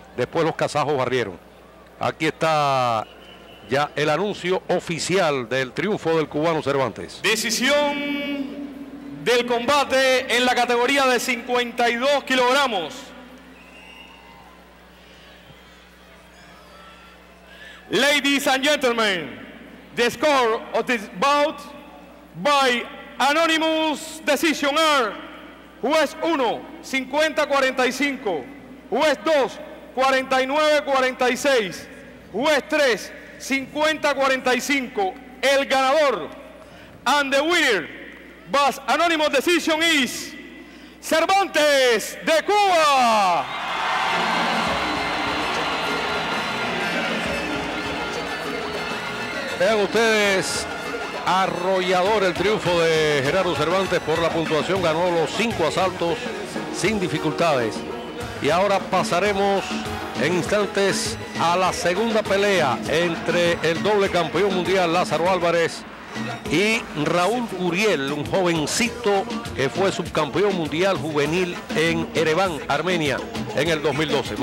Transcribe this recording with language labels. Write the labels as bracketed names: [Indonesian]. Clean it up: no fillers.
[Spanish] Después los kazajos barrieron. Aquí está ya el anuncio oficial del triunfo del cubano Cervantes. Decisión del combate en la categoría de 52 kilogramos. [English] Ladies and gentlemen, the score of this bout by anonymous decision are [Spanish] juez 1, 50-45, juez 2, 49-46, juez 3, 50-45, el ganador [English] and the winner by anonymous decision is Cervantes de Cuba. [Spanish] Vean ustedes, arrollador el triunfo de Gerardo Cervantes por la puntuación. Ganó los 5 asaltos sin dificultades. Y ahora pasaremos en instantes a la segunda pelea entre el doble campeón mundial Lázaro Álvarez y Raúl Curiel, un jovencito que fue subcampeón mundial juvenil en Ereván, Armenia, en el 2012.